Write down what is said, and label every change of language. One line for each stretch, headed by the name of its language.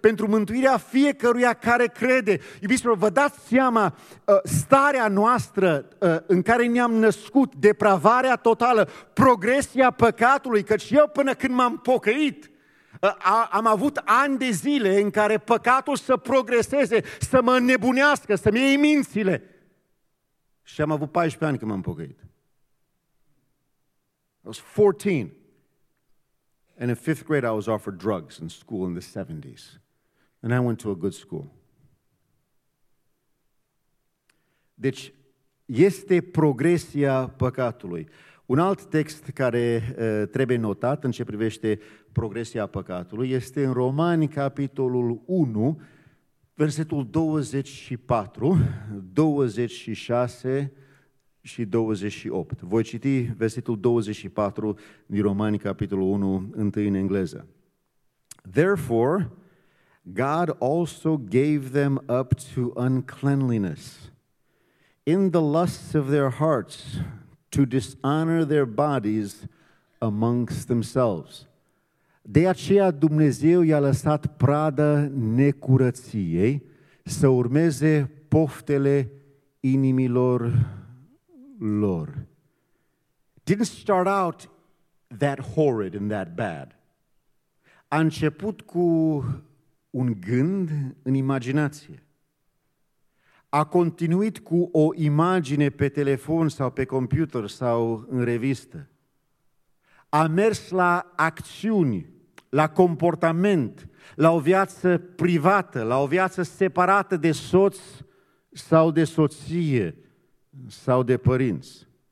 Romanian: Pentru mântuirea fiecăruia care crede. Iubiți-vă, vă dați seama starea noastră în care ne-am născut, depravarea totală, progresia păcatului, căci eu până când m-am pocăit, am avut ani de zile în care păcatul să progreseze, să mă nebunească, să-mi iei mințile. Și am avut 14 ani când m-am pocăit.
English: I was 14, and in fifth grade I was offered drugs in school in the 70s, and I went to a good school.
Romanian: Deci, este progresia păcatului. Un alt text care trebuie notat în ce privește progresia păcatului este în Romani, capitolul 1, versetul 24, 26, și 28. Voi citi versetul 24 din Romani, capitolul 1, întâi în engleză.
English: Therefore, God also gave them up to uncleanliness in the lusts of their hearts to dishonor their bodies amongst themselves.
Romanian: De aceea Dumnezeu i-a lăsat pradă necurăției să urmeze poftele inimilor lor.
English: Didn't start out that horrid and that bad.
Romanian: A început cu un gând în imaginație. A continuat cu o imagine pe telefon sau pe computer sau în revistă. A mers la acțiuni, la comportament, la o viață privată, la o viață separată de soț sau de soție sau de părinți.